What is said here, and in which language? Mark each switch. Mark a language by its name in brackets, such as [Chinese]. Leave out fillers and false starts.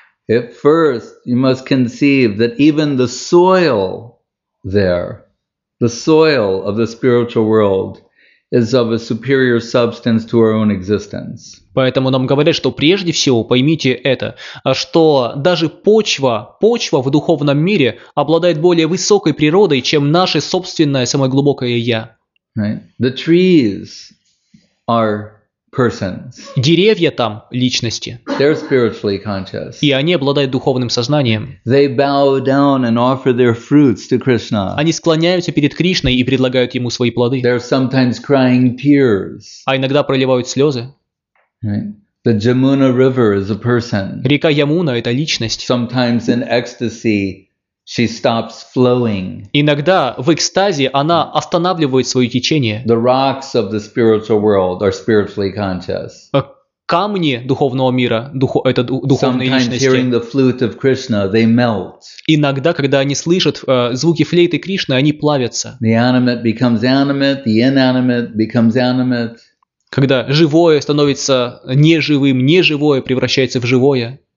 [English] At first, you must conceive that even the soil there, the soil of the spiritual world, is of a superior substance to our own existence. [Russian] Поэтому нам говорят, что прежде всего поймите это, что даже почва в духовном мире обладает более высокой природой, чем наше собственное самое глубокое я. [English] Right. The trees are persons. [Russian] Деревья там личности. [English] They're spiritually conscious. [Russian] И они обладают духовным сознанием. [English] They bow down and offer their fruits to Krishna. [Russian] Они склоняются перед Кришной и предлагают ему свои плоды. [English] They're sometimes crying tears. [Russian] А иногда проливают слезы. [English] Right. The Jamuna River is a person. [Russian] Река Ямуна – это личность. [English] Sometimes in ecstasy, she stops flowing. [Russian] Иногда в экстазе она останавливает свое течение. [English] The rocks of the spiritual world are spiritually conscious. [Russian] Камни духовного мира, это духовные личности. [English] Sometimes hearing the flute of Krishna, they melt. [Russian] Иногда, когда они слышат звуки флейты Кришны, они плавятся. [English] The animate becomes animate, the inanimate becomes animate. [Russian] Когда живое становится неживым, неживое превращается в живое.